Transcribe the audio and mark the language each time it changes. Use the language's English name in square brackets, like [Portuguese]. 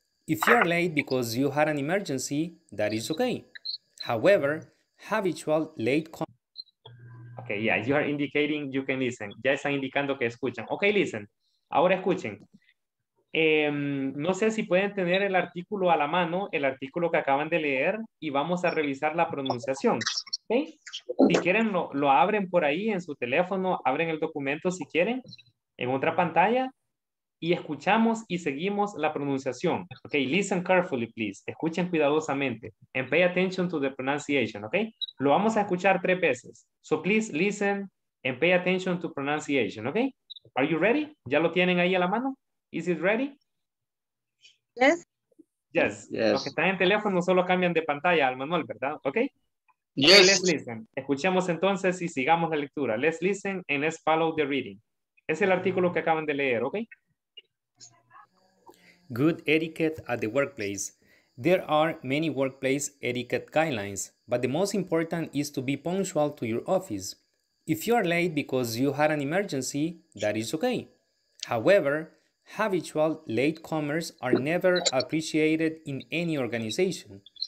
[English] If you are late because you had an emergency, that is okay. However, habitual late call. Okay, yeah, you are indicating you can listen. [Spanish] Ya están indicando que escuchan. [English] Okay, listen. [Spanish] Ahora escuchen. No sé si pueden tener el artículo a la mano, el artículo que acaban de leer, y vamos a revisar la pronunciación. ¿Okay? Si quieren, lo abren por ahí en su teléfono, abren el documento si quieren, en otra pantalla, y escuchamos y seguimos la pronunciación. [English] Okay, listen carefully, please. [Spanish] Escuchen cuidadosamente. [English] And pay attention to the pronunciation, okay? [Spanish] Lo vamos a escuchar tres veces. [English] So please listen and pay attention to pronunciation, okay? Are you ready? [Spanish] ¿Ya lo tienen ahí a la mano? [English] Is it ready? Yes. Yes. Yes. [Spanish] Los que están en teléfono solo cambian de pantalla al manual, ¿verdad? [English] Okay. Yes. Let's listen. [Spanish] Escuchemos entonces y sigamos la lectura. [English] Let's listen and let's follow the reading. [Spanish] Es el artículo que acaban de leer, okay? [English] Good etiquette at the workplace. There are many workplace etiquette guidelines, but the most important is to be punctual to your office. If you are late because you had an emergency, that is okay. However, habitual latecomers are never appreciated in any organization.